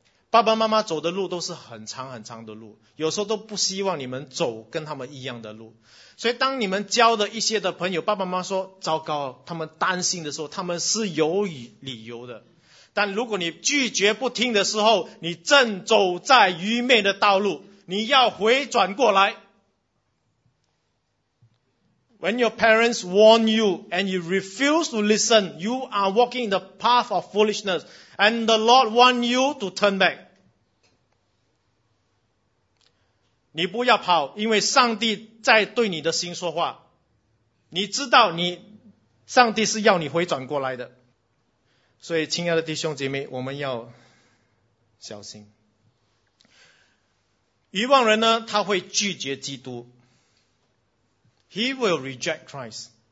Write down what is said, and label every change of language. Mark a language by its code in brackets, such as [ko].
[zh] 爸爸妈妈走的路都是很长很长的路，有时候都不希望你们走跟他们一样的路。所以当你们交的一些的朋友，爸爸妈妈说糟糕，他们担心的时候，他们是有理由的。但如果你拒绝不听的时候，你正走在愚昧的道路，你要回转过来。 [en] When your parents warn you and you refuse to listen, you are walking in the path of foolishness and the Lord want you to turn back. [zh] 你不要跑，因为上帝在对你的心说话，你知道你上帝是要你回转过来的。所以亲爱的弟兄姐妹，我们要小心愚妄人呢，他会拒绝基督， [en] He will reject Christ。